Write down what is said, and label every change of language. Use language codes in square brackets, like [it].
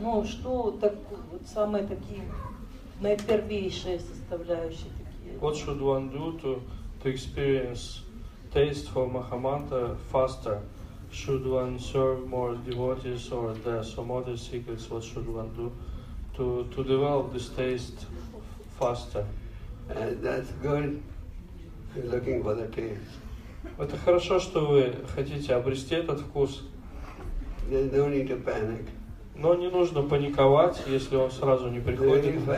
[ru] Ну, что так, вот самые такие... [en] What should one do to experience taste for Mahamantra faster? Should one serve more devotees or the Samadhi secrets? What should one do to develop this taste faster? That's good. You're looking for the taste. [ru] Это хорошо, что вы хотите обрести этот вкус. [en] There's no need to panic. [ru] Но не нужно паниковать, если он сразу не приходит.